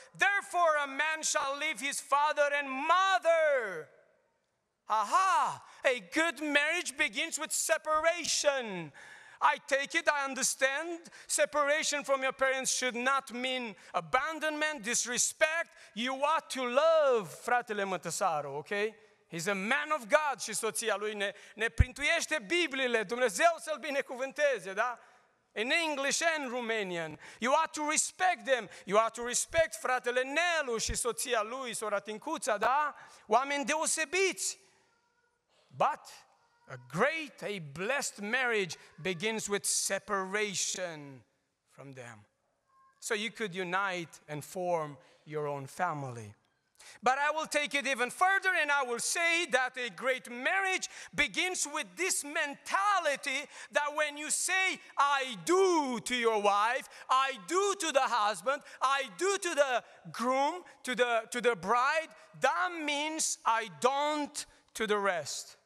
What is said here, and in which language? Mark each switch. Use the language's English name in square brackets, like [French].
[English] Therefore, a man shall leave his father and mother. Aha! A good marriage begins with separation. I take it, I understand. Separation from your parents should not mean abandonment, disrespect. You ought to love fratele Mătăsaru, okay? He's a man of God [Romanian] și soția lui ne printuiește Bibliile. Dumnezeu să-l binecuvânteze, da? [English] In English and Romanian. You ought to respect them. You ought to respect fratele Nelu [Romanian] și soția lui, sora Tincuța, da? Oameni deosebiți. [English] But A great, a blessed marriage begins with separation from them. So you could unite and form your own family. But I will take it even further and I will say that a great marriage begins with this mentality that when you say, I do to your wife, I do to the husband, I do to the groom, to the bride, that means I don't to the rest.